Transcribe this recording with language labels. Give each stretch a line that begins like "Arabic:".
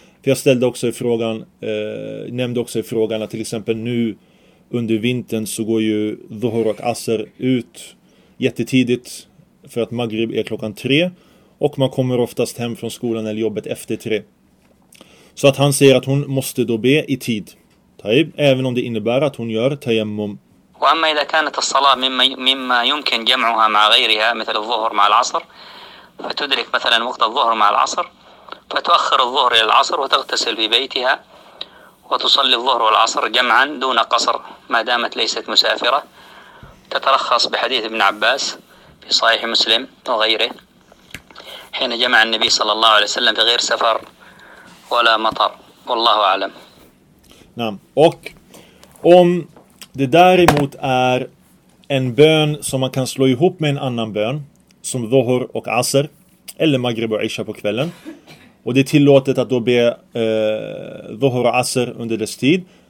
Swedish: För jag ställde också i frågan, nämnde också i frågan att till exempel nu under vintern så går ju Dhuhr och Asr ut jättetidigt för att Maghrib är klockan 3 och man kommer oftast hem från skolan eller jobbet efter 3. Så att han säger att hon måste då be i tid, taib, även om det innebär att hon gör tayammum. Och
Arabic: amma idha kanat as-salah mimma yumkin jam'uha ma'a ghayriha mithl adh-dhuhr ma'a al-'asr fa tudrik mathalan waqt adh-dhuhr ma'a al-'asr فتؤخر الظهر إلى العصر وتغتسل في بيتها وتصلي الظهر والعصر جمعا دون قصر ما دامت ليست مسافرة، تترخص بحديث ابن عباس في صحيح مسلم وغيره حين جمع النبي صلى الله عليه وسلم في غير سفر ولا مطر، والله أعلم. نعم.
Swedish: Och om det däremot är en bön som man kan slå ihop med en annan bön, som dhuhr och asr eller maghrib och isha på kvällen, Och det är tillåtet att då be Dhuhr och Asr under dess tid.